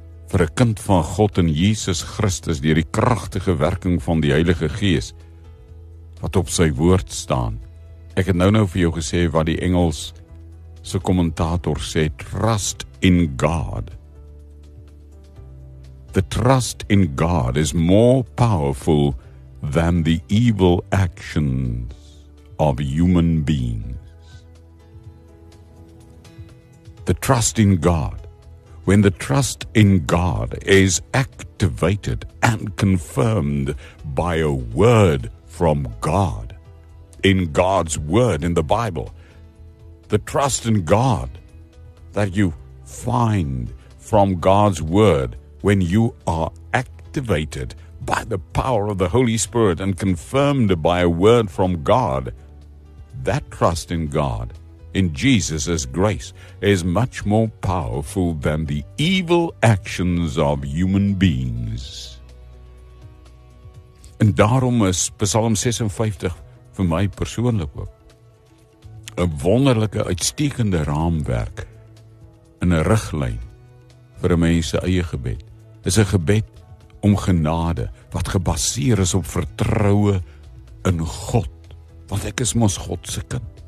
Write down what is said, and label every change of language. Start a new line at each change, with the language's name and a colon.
Afrikaans: Vir 'n kind van God in Jesus Christus deur die kragtige werking van die Heilige Gees wat op sy woord staan. Ek het nou vir jou gesê wat die Engels se kommentator sê,
English: trust in God. The trust in God is more powerful than the evil actions of human beings. The trust in God. When the trust in God is activated and confirmed by a word from God, in God's word in the Bible, the trust in God that you find from God's word, when you are activated by the power of the Holy Spirit and confirmed by a word from God, that trust in God, in Jesus' grace, is much more powerful than the evil actions of human beings.
Afrikaans: En daarom is Psalm 56 vir my persoonlik ook 'n wonderlike, uitstekende raamwerk en 'n riglyn vir 'n mens se eie gebed. Dis 'n gebed om genade wat gebaseer is op vertroue in God, want ek is mos God se kind.